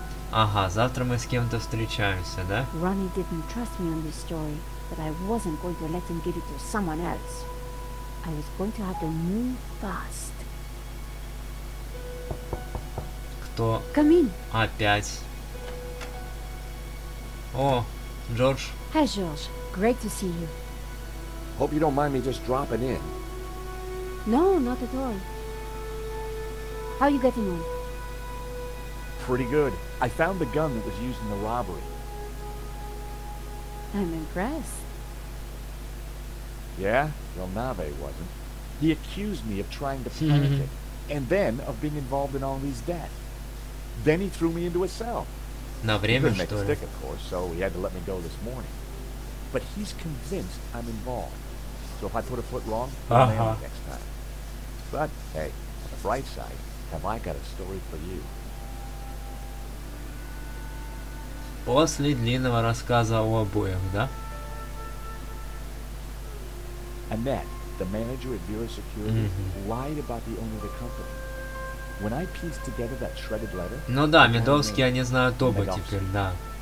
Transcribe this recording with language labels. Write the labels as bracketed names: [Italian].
[Russian] Ага, завтра мы с кем-то встречаемся, да? [English] Ronnie didn't trust me on this story, but I wasn't going to let him give it to someone else. I was going to have to move fast. [Russian] Кто? [English] Come in. [Russian] Опять. О, Джордж. [English] Hi, Джордж. Great to see you. Hope you don't mind me just dropping in. No, not at all. How you getting on? Pretty good. I found the gun that was used in the robbery. I'm impressed. Yeah? Well, Nave wasn't. He accused me of trying to panic it, and then of being involved in Henri's death. Then he threw me into a cell. [Russian] На время, [English] he couldn't make a stick, of course, so he had to let me go this morning. But he's convinced I'm involved. So if I put a foot wrong, I'll nail it next time. But, hey, on the bright side, have I got a story for you. [Russian] После длинного рассказа о обоих, да? [English] Annette, the manager at Vera Security, lied about the owner of the company. When I pieced together that shredded letter... [Russian] Ну да, Медовский, они знают оба теперь, да.